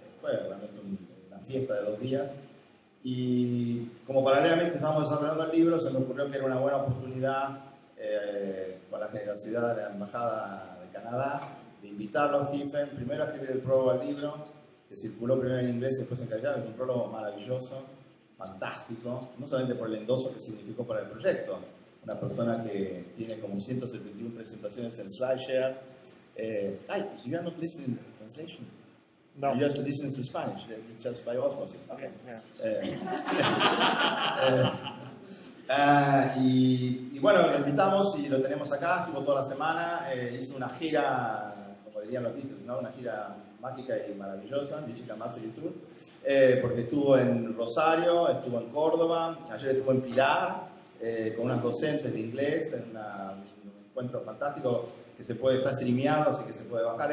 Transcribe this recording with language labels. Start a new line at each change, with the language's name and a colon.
Spanish: Fue realmente una fiesta de dos días. Y como paralelamente estábamos desarrollando el libro, se me ocurrió que era una buena oportunidad, con la generosidad de la Embajada de Canadá, de invitarlo a Stephen, primero a escribir el prólogo al libro, que circuló primero en inglés y después en castellano. Es un prólogo maravilloso, fantástico, no solamente por el endoso que significó para el proyecto, una persona que tiene como 171 presentaciones en SlideShare.
English: Ay, you are not listening to the translation? No. You just listen to Spanish, it's just by osmosis. Okay. Yeah.
Spanish: y bueno, lo invitamos y lo tenemos acá, estuvo toda la semana, hizo una gira, como dirían los Beatles, ¿no? Una gira mágica y maravillosa, Michigan Mastery Tour, porque estuvo en Rosario, estuvo en Córdoba, ayer estuvo en Pilar, con unas docentes de inglés, en un encuentro fantástico que se puede estar streameado, así que se puede bajar.